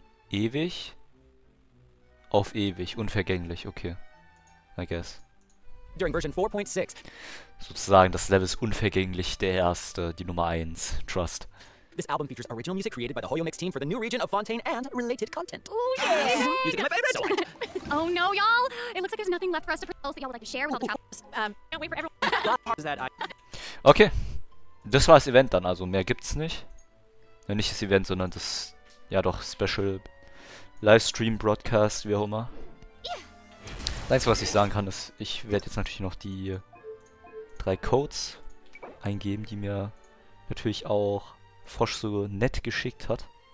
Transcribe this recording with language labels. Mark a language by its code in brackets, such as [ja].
[de] Ewig? Auf ewig, unvergänglich, okay. [en] I guess. During version 4.6. [de] Sozusagen, das Level ist unvergänglich, der erste, die Nummer 1. [en] Trust. This album features original music created by the Holomix team for the new region of Fontaine and related content. Ooh, yay! Music is my favorite! Oh no, y'all! It looks like there's nothing left for us to propose that y'all would like to share with all the travelers. Can't wait for everyone. Okay. [de] Das war das Event dann, also mehr gibt's nicht. Ja, nicht das Event, sondern das. Ja, doch, Special Livestream Broadcast, wie auch immer. Das Einzige, was ich sagen kann, ist, ich werde jetzt natürlich noch die drei Codes eingeben, die mir natürlich auch Frosch so nett geschickt hat.